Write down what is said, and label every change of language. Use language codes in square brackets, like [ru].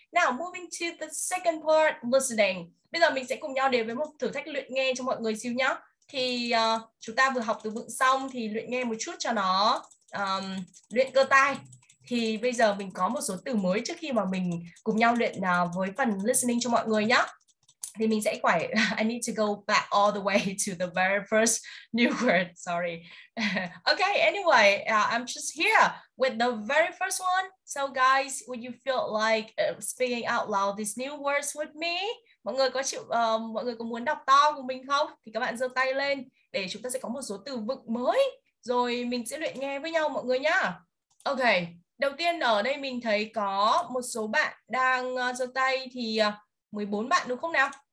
[en] Now moving to the second part, listening. [vi] Bây giờ mình sẽ cùng nhau đến với một thử thách luyện nghe cho mọi người xíu nhá. Thì chúng ta vừa học từ vựng xong thì luyện nghe một chút cho nó luyện cơ tai. Thì bây giờ mình có một số từ mới trước khi mà mình cùng nhau luyện với phần listening cho mọi người nhá. Thì mình sẽ phải, [en] I need to go back all the way to the very first new word, sorry. Okay, anyway, I'm just here with the very first one. So guys, would you feel like speaking out loud these new words with me? [vi] Mọi người có chịu, mọi người có muốn đọc to cùng mình không? Thì các bạn giơ tay lên để chúng ta sẽ có một số từ vựng mới. Rồi mình sẽ luyện nghe với nhau mọi người nhá. Okay, đầu tiên ở đây mình thấy có một số bạn đang giơ tay thì... 14 bạn đúng không nào?